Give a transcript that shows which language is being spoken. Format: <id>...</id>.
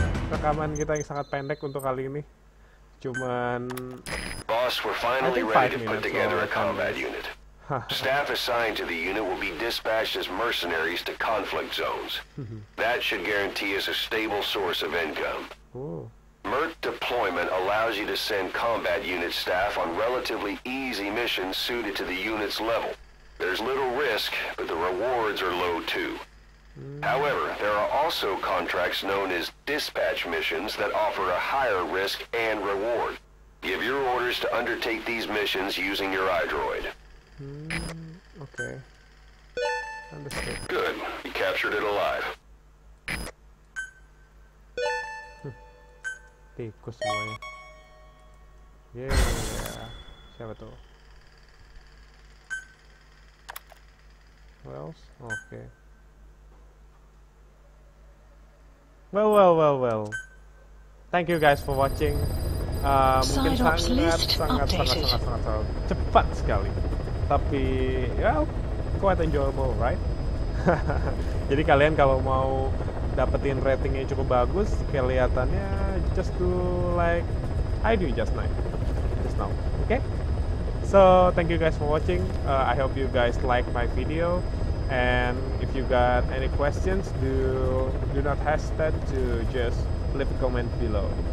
<id>Rekaman kita yang sangat pendek untuk kali ini cuman</id> <en>boss, we're finally ready to put together a combat unit. Staff assigned to the unit will be dispatched as mercenaries to conflict zones. That should guarantee us a stable source of income. Merc deployment allows you to send combat unit staff on relatively easy missions suited to the unit's level. There's little risk, but the rewards are low too. However, there are also contracts known as dispatch missions that offer a higher risk and reward. Give your orders to undertake these missions using your iDroid. Okay. Good. You captured it alive.</en> <id>Tikus semuanya. Yeah. Siapa tuh?</id> <en>Who else? Okay. Well. Thank you guys for watching.</en> <id>Mungkin sangat cepat sekali.</id> <en>Tapi, well, quite enjoyable, right?</en> <id>Jadi kalian kalau mau dapetin ratingnya cukup bagus, kelihatannya</id> <en>just do like I do just now,</en> <id>okay?</id> <en>So thank you guys for watching. I hope you guys like my video, and if you got any questions, do not hesitate to just leave a comment below.</en>